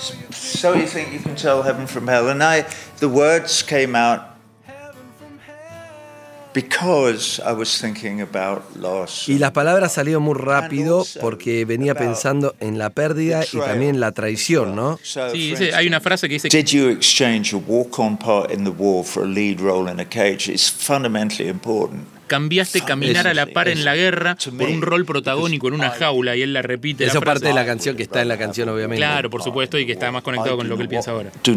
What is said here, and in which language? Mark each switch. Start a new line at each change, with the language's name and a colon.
English: So you think you can tell heaven from hell? And the words came out because I was thinking about loss.
Spanish: Y las palabras salieron muy rápido porque venía pensando en la pérdida y también la traición, ¿no? Sí, dice, hay una frase que dice.
English: Did you exchange a walk-on part in the war for a lead role in a cage? It's fundamentally important.
Spanish: Cambiaste caminar a la par en la guerra por un rol protagónico en una jaula, y él la repite. Eso la frase. Parte de la canción que está en la canción, obviamente. Claro, por supuesto, y que está más conectado con lo que él piensa ahora.